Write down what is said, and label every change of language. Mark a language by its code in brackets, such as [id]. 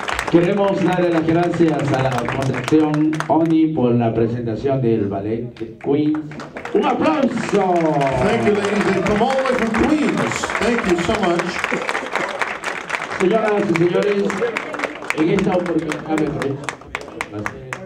[es] Queremos darle las gracias a la Fundación ONI por la presentación del ballet de Queens. ¡Un aplauso! [en] Thank you, ladies, and from all the way from Queens. Thank you so much. [es] Señoras y señores, en esta oportunidad me parece.